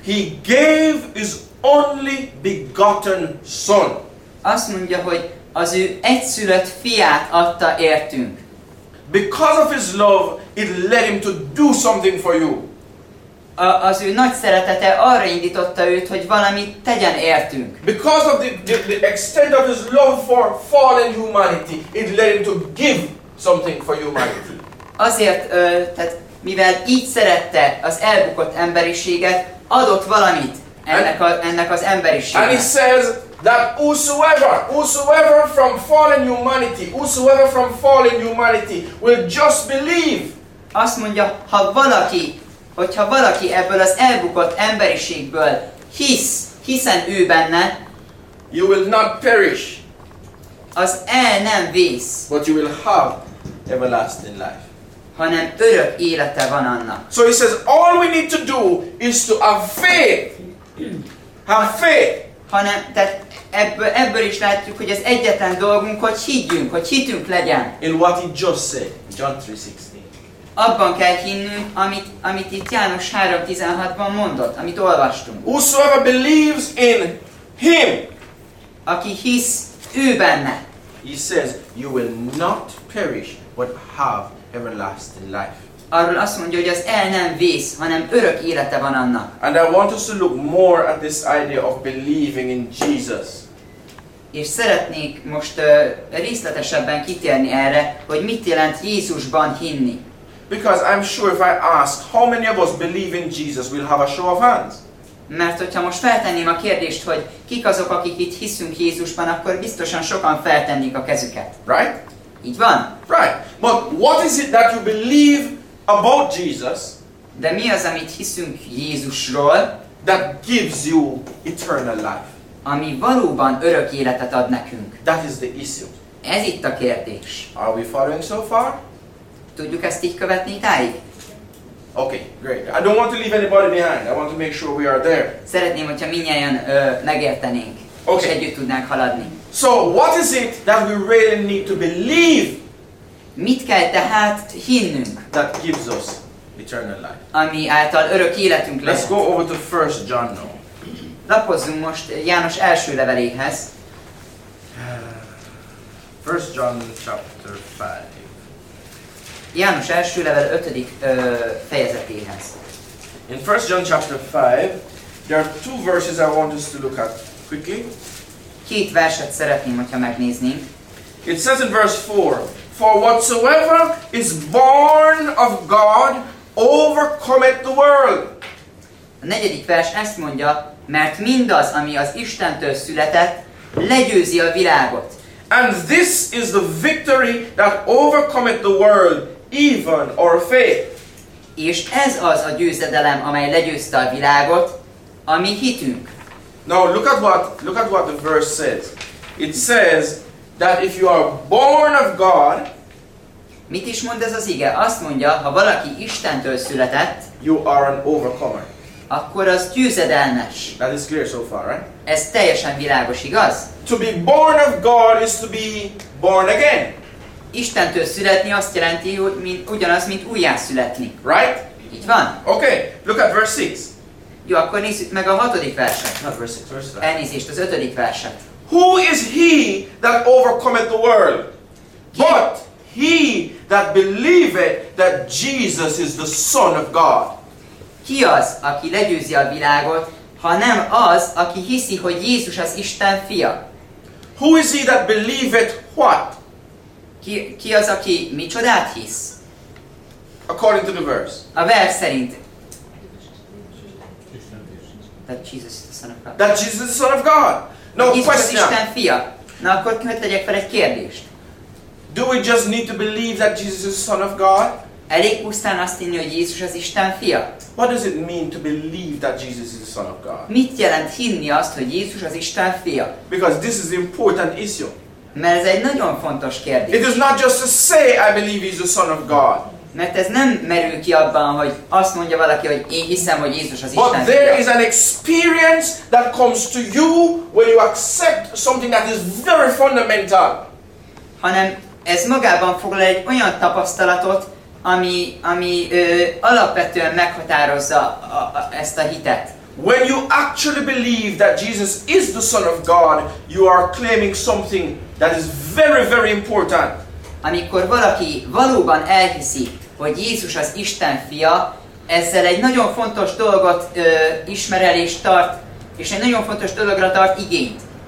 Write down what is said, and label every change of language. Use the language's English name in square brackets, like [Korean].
[English] He gave his only begotten son. [Hungarian] Azt mondja, hogy az ő egyszülött fiát adta értünk. [English] Because of his love, it led him to do something for you. [Hungarian] Az ő nagy szeretete arra indította őt, hogy valamit tegyen értünk. [English] Because of the extent of his love for fallen humanity, it led him to give something for humanity. [Hungarian] Azért, tehát mivel így szerette az elbukott emberiséget, adott valamit. Ennek az emberiségnek. [English] And he says that whosoever from fallen humanity, whosoever from fallen humanity will just believe. [Hungarian] Azt mondja, hogyha valaki ebből az elbukott emberiségből hiszen ő benne, [English] you will not perish. [Hungarian] Az el nem vész. [English] But you will have everlasting life. [Hungarian] Hanem örök élete van annak. [English] So he says all we need to do is to have faith. Have faith. [Hungarian] Hanem, tehát ebből is látjuk, hogy az egyetlen dolgunk, hogy higgyünk, hogy hitünk legyen. [English] In what he just said, John 3:16. [Hungarian] abban kell hinnünk, amit itt János 3:16-ban mondott, amit olvastunk. [English] Whosoever believes in him, [Hungarian] aki hisz ő benne, [English] he says, you will not perish, but have everlasting life. [Hungarian] Arról azt mondja, hogy az el nem vész, hanem örök élete van annak. [English] And I want us to look more at this idea of believing in Jesus. [Hungarian] És szeretnék most részletesebben kitérni erre, hogy mit jelent Jézusban hinni. [English] Because I'm sure if I ask how many of us believe in Jesus, we'll have a show of hands. [Hungarian] Mert hogyha most feltenném a kérdést, hogy kik azok, akik itt hiszünk Jézusban, akkor biztosan sokan feltennék a kezüket. [English] Right? [Hungarian] Így van. [English] Right. But what is it that you believe about Jesus? [Hungarian] De mi az, amit hiszünk Jézusról? [English] That gives you eternal life. [Hungarian] Ami valóban örök életet ad nekünk. [English] That is the issue. [Hungarian] Ez itt a kérdés. [English] Are we following so far? [Hungarian] Tudjuk ezt így követni itáig? [English] Okay, great. I don't want to leave anybody behind. I want to make sure we are there. [Hungarian] Szeretném, hogyha mindnyájan megértenénk, okay, és együtt tudnánk haladni. [English] So what is it that we really need to believe? [Hungarian] Mit kell tehát hinnünk? [English] That gives us eternal life. [Hungarian] Ami által örök életünk lehet. [English] Let's go over to 1 John now. [Hungarian] Lapozzunk most János első leveléhez. [English] 1 John chapter 5. [Hungarian] János első level 5. fejezetéhez. [English] In 1 John chapter 5, there are two verses I want us to look at quickly. [Hungarian] Két verset szeretném, hogyha megnéznénk. [English] It says in verse 4, for whatsoever is born of God overcometh the world. [Hungarian] A negyedik vers ezt mondja, mert mindaz, ami az Istentől született, legyőzi a világot. [English] And this is the victory that overcometh the world, even our faith. [Hungarian] És ez az a győzedelem, amely legyőzte a világot, a mi hitünk. [English] Now look at what the verse says. It says that if you are born of God, [Hungarian] mit is mond ez az ige? Azt mondja, ha valaki Istentől született, [English] you are an overcomer. [Hungarian] Akkor az győzedelmes. [English] That is clear so far, right? [Hungarian] Ez teljesen világos, igaz? [English] To be born of God is to be born again. [Hungarian] Istentől születni azt jelenti, hogy ugyanaz, mint újjászületni. [English] Right? [Hungarian] Így van. [English] Okay, look at verse 6. [Hungarian] Jó, akkor nézzük meg a hatodik verset. [English] Not verse 6, verse 5. [Hungarian] Elnézést, az ötödik verset. [English] Who is he that overcometh the world? [Hungarian] Ki? [English] But he that believeth that Jesus is the Son of God. [Hungarian] Ki az, aki legyőzi a világot, ha nem az, aki hiszi, hogy Jézus az Isten fia? [English] Who is he that believeth what? [Hungarian] Ki az, aki micsodát hisz? [English] According to the verse. [Hungarian] A vers szerint. [English] That Jesus is the Son of God. That Jesus is the Son of God. No question. [Hungarian] Jézus az Isten fia. Na akkor tegyek fel egy kérdést. [English] Do we just need to believe that Jesus is the Son of God? [Hungarian] Elég pusztán azt hinni, hogy Jézus az Isten fia? [English] What does it mean to believe that Jesus is the Son of God? [Hungarian] Mit jelent hinni azt, hogy Jézus az Isten fia? [English] Because this is an important issue. [Hungarian] Mert ez egy nagyon fontos kérdés. [English] It is not just to say I believe he's the Son of God. [Hungarian] Mert ez nem merül ki abban, hogy azt mondja valaki, hogy én hiszem, hogy Jézus az Isten. [English] But there is an experience that comes to you when you accept something that is very fundamental. [Hungarian] Hanem ez magában foglal egy olyan tapasztalatot, ami alapvetően meghatározza ezt a hitet. [English] When you actually believe that Jesus is the Son of God, you are claiming something that is very, very important. [Hungarian] Amikor valaki valóban elhiszi, hogy Jézus az Isten fia, ezzel egy nagyon fontos dolgot ismer el és tart, és egy nagyon fontos dologra tart igényt.